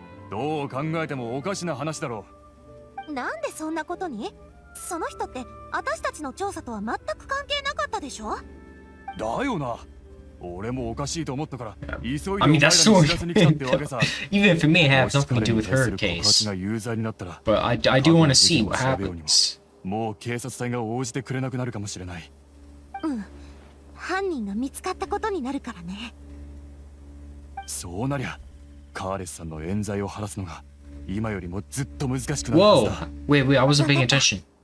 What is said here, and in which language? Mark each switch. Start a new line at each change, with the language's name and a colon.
Japanese: どう考えてもおかしな話だろう。なんでそんなことに？その人って私たちの調査とは全く関係なかったでしょ？だよな。俺もおかしいと思ったから、急いでお前らに知らずに来たってわけさ。
English: Even if it may have something to do with her case. But I do want to see what happens.
Japanese: もう警察隊が応じてくれなくなるかもしれない。うん、犯人が見つかったことになるからね。そうなりゃカーレスさんの冤罪を晴らすのが今よりもずっと難しくなるはずだ。
English: Wait, I wasn't paying attention.